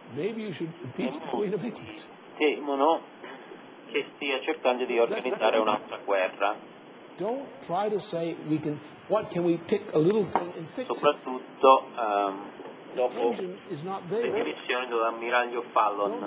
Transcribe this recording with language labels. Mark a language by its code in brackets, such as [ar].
[en] Maybe you should impeach the Queen of England. [it] Temono che stia cercando di organizzare un'altra guerra. [en] Don't try to say we can. What can we pick a little thing and fix it? [it] Soprattutto dopo le dimissioni dell'ammiraglio Fallon.